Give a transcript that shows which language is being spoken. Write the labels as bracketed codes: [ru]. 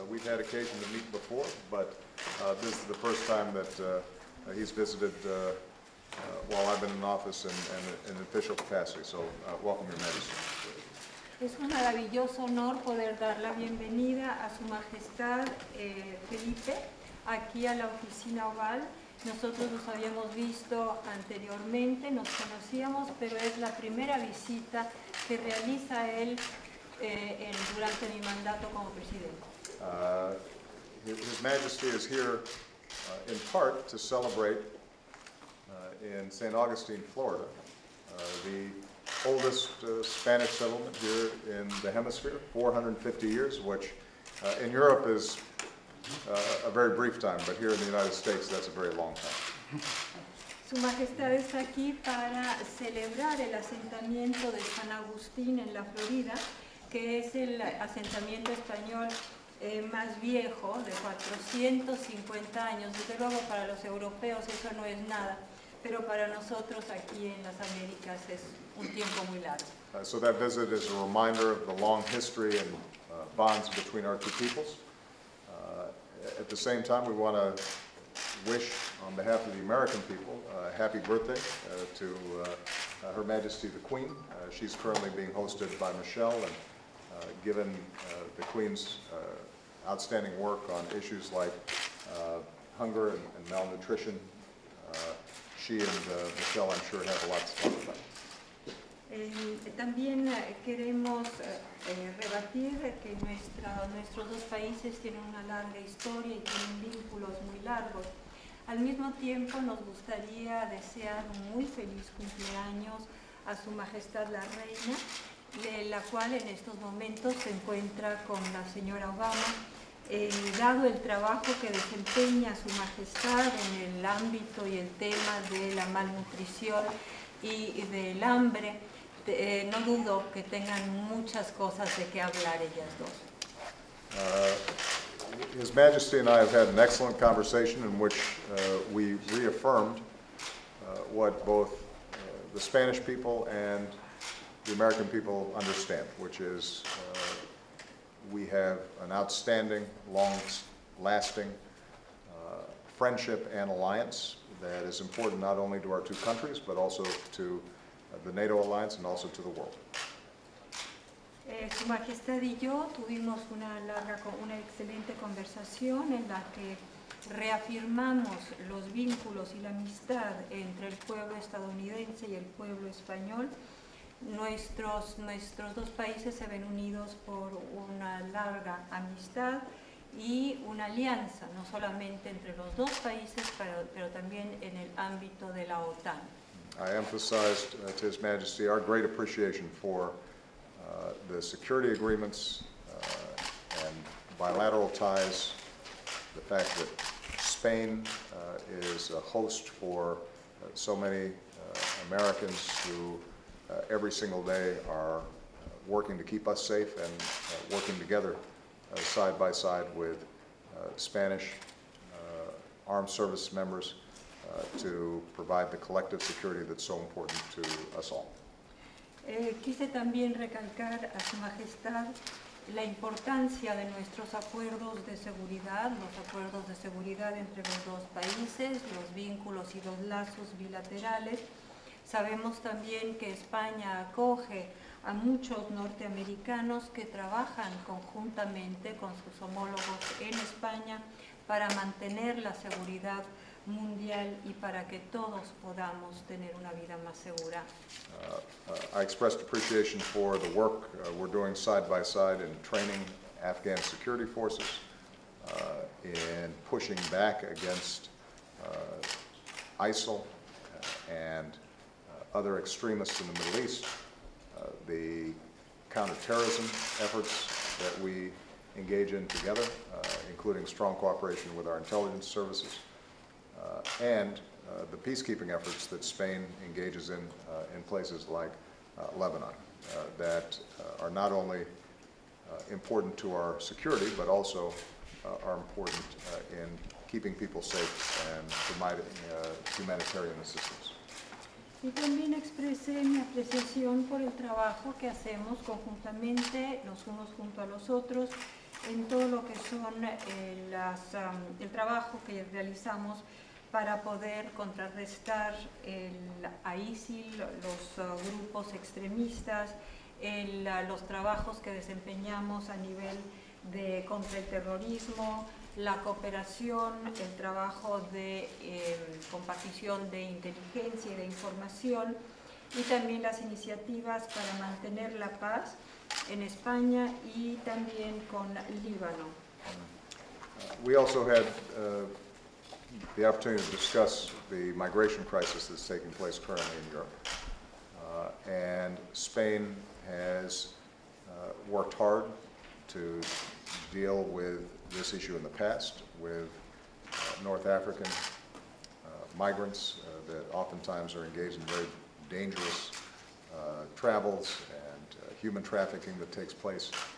[en] We've had occasion to meet before, but this is the first time that he's visited while I've been in office and in official capacity. So welcome, Your Majesty. [es] Es un maravilloso honor poder dar la bienvenida a Su Majestad Felipe aquí a la Oficina Oval. Nosotros nos habíamos visto anteriormente, nos conocíamos, pero es la primera visita que realiza él durante mi mandato como presidente. [en] His Majesty is here in part to celebrate in St. Augustine, Florida, the oldest Spanish settlement here in the hemisphere, 450 years, which in Europe is a very brief time, but here in the United States, that's a very long time. [es] Su Majestad está aquí para celebrar el asentamiento de San Agustín en la Florida, que es el asentamiento español más viejo, de 450 años. Desde luego, para los europeos eso no es nada, pero para nosotros aquí en las Américas es un tiempo muy largo. [en] So that visit is a reminder of the long history and bonds between our two peoples. At the same time, we want to wish, on behalf of the American people, a happy birthday to Her Majesty the Queen. She's currently being hosted by Michelle, and given the Queen's outstanding work on issues like hunger and malnutrition, she and Michelle, I'm sure, have a lot to talk about. [es] También queremos rebatir que nuestros dos países tienen una larga historia y tienen vínculos muy largos. Al mismo tiempo, nos gustaría desear un muy feliz cumpleaños a Su Majestad la Reina, de la cual en estos momentos se encuentra con la señora Obama. Dado el trabajo que desempeña Su Majestad en el ámbito y el tema de la malnutrición y del hambre, no dudo que tengan muchas cosas de qué hablar ellas dos. [en] His Majesty and I have had an excellent conversation in which we reaffirmed what both the Spanish people and the American people understand, which is we have an outstanding, long-lasting friendship and alliance that is important not only to our two countries, but also to the NATO alliance and also to the world. [es] Su Majestad y yo tuvimos una excelente conversación en la que reafirmamos los vínculos y la amistad entre el pueblo estadounidense y el pueblo español. Nuestros dos países se ven unidos por una larga amistad y una alianza, no solamente entre los dos países, pero también en el ámbito de la OTAN. [en] I emphasized to His Majesty our great appreciation for the security agreements and bilateral ties, the fact that Spain is a host for so many Americans who every single day are working to keep us safe and working together side by side with Spanish armed service members to provide the collective security that's so important to us all. [es] Quise también recalcar a Su Majestad la importancia de nuestros acuerdos de seguridad, los acuerdos de seguridad entre los dos países, los vínculos y los lazos bilaterales. Sabemos también que España acoge a muchos norteamericanos que trabajan conjuntamente con sus homólogos en España para mantener la seguridad mundial y para que todos podamos tener una vida más segura. [en] I expressed appreciation for the work we're doing side by side in training Afghan security forces, in pushing back against ISIL and other extremists in the Middle East, the counterterrorism efforts that we engage in together, including strong cooperation with our intelligence services, and the peacekeeping efforts that Spain engages in places like Lebanon, that are not only important to our security, but also are important in keeping people safe and providing humanitarian assistance. [es] Y también expresé mi apreciación por el trabajo que hacemos conjuntamente, los unos junto a los otros, en todo lo que son el trabajo que realizamos para poder contrarrestar el ISIL, los grupos extremistas, los trabajos que desempeñamos a nivel de contra el terrorismo, la cooperación, el trabajo de compartición de inteligencia y de información, y también las iniciativas para mantener la paz en España y también con Líbano. [en] We also had the opportunity to discuss the migration crisis that's taking place currently in Europe. And Spain has worked hard to deal with this issue in the past with North African migrants that oftentimes are engaged in very dangerous travels and human trafficking that takes place.